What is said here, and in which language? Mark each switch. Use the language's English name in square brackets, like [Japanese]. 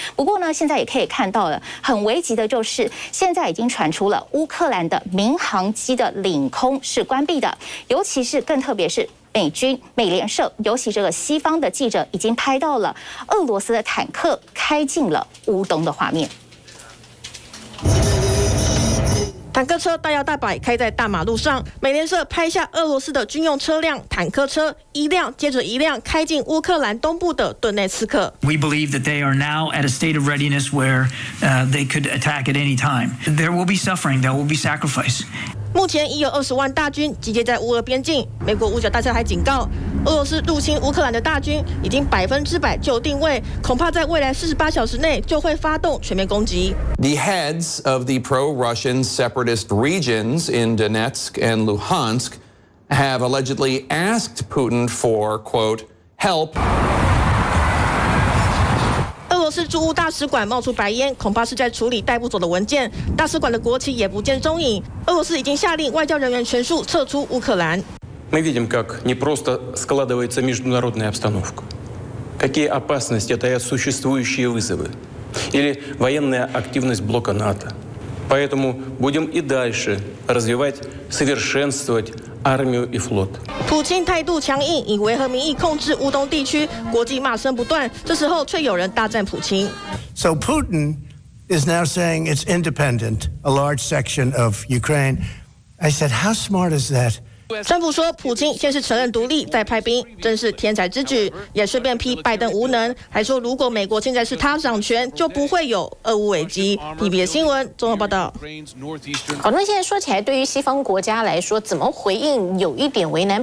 [Chinese] 不过呢，现在也可以看到了，很危急的就是现在已经传出了乌克兰的民航机的领空是关闭的，尤其是更特别是美军、美联社，尤其这个西方的记者已经拍到了俄罗斯的坦克开进了乌东的画面。坦克车大摇大摆开在大马路上，美联社拍下俄罗斯的军用车辆、坦克车一辆接着一辆开进乌克兰东部的顿内茨克。 [English] We believe that they are now at a state of readiness where they could attack at any time. There will be suffering, there will be sacrifice. [Chinese] 目前已有20万大军集结在乌俄边境，美国五角大厦还警告，俺俄罗斯入侵乌克兰的大军已经100%就定位，恐怕在未来48小时内就会发动全面攻击。 [English] The heads of the pro-Russian separatist regions in Donetsk and Luhansk have allegedly asked Putin for quote help. [Chinese] 是驻乌大使馆冒出白烟，恐怕是在处理带不走的文件，大使馆的国旗也不见踪影。俄罗斯已经下令外交人员全数撤出乌克兰。 [Russian] Мы видим, как не просто складывается международная обстановка, какие опасности таят существующие вызовы или военная активность блока НАТО. Поэтому будем и дальше развивать, совершенствовать армию и флот. [Chinese] 普京态度强硬，以维和名义控制乌东地区，国际骂声不断。这时候却有人大赞普京。 [English] So Putin is now saying it's independent, a large section of Ukraine. I said, how smart is that? [Chinese] 川普说，普京先是承认独立，再派兵，真是天才之举。也顺便批拜登无能，还说如果美国现在是他掌权，就不会有俄乌危机。 TVBS 新闻综合报道。好，那现在说起来，对于西方国家来说，怎么回应有一点为难。